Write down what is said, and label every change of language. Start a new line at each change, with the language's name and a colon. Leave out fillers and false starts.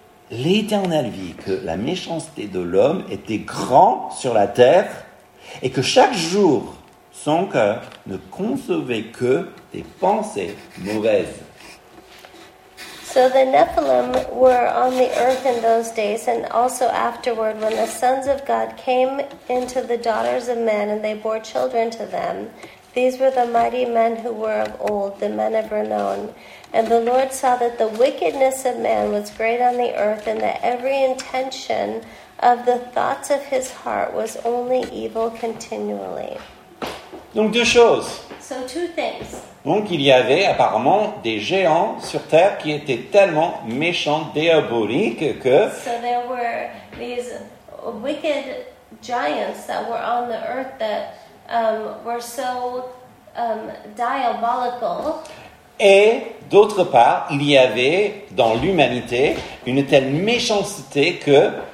French: L'Éternel vit que la méchanceté de l'homme était grande sur la terre et que chaque jour son cœur ne concevait que des pensées mauvaises.
English: So the Nephilim were on the earth in those days and also afterward when the sons of God came into the daughters of men and they bore children to them. These were the mighty men who were of old, the men of renown. And the Lord saw that the wickedness of man was great on the earth and that every intention of the thoughts of his heart was only evil continually.
French: Donc deux choses.
English: So two things.
French: Donc il y avait apparemment des géants sur terre qui étaient tellement méchants, diaboliques que...
English: So there were these wicked giants that were on the earth that were so diabolical.
French: Et d'autre part, il y avait dans l'humanité une telle méchanceté que...